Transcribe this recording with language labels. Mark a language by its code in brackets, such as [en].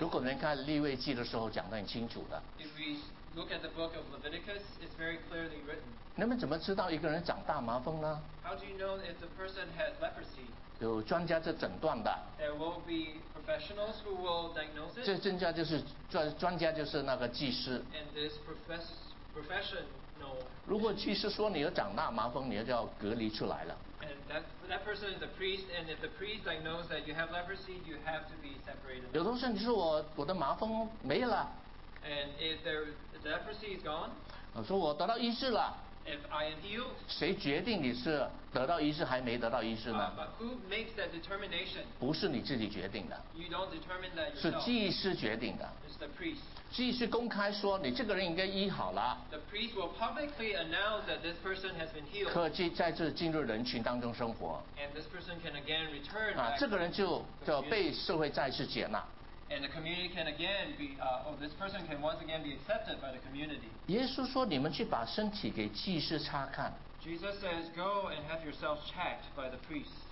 [zh] 如果您看利未记的时候讲得很清楚的 [en] if we look at the book of Leviticus it's very clearly written [zh] 你们怎么知道一个人长大麻风呢 [en] how do you know if the person had leprosy [zh] 有专家在诊断的 [en] there will be professionals who will diagnose it [zh] 这专家就是专家就是那个技师 [en] and this professional [zh] 如果技师说你有长大麻风你就要隔离出来了 [en] and that person is a priest and if the priest diagnoses that you have leprosy you have to be separated [zh] 有的时候你说我的麻风没了 [en] and if the leprosy is gone [zh] 我说我得到医治了 [en] if I am healed [zh] 谁决定你是得到医治还没得到医治呢 [en] but who makes that determination [zh] 不是你自己决定的 [en] you don't determine that yourself [zh] 是技师决定的 [en] The priest. [zh] 祭司公开说你这个人应该医好了 [en] The priest will publicly announce that this person has been healed. [zh] 可以再次进入人群当中生活 [en] And this person can again return [zh] 这个人就被社会再次接纳 [en] And the community can again be this person can once again be accepted by the community. [zh] 耶稣说你们去把身体给祭司查看 [en] Jesus says go and have yourselves checked by the priest.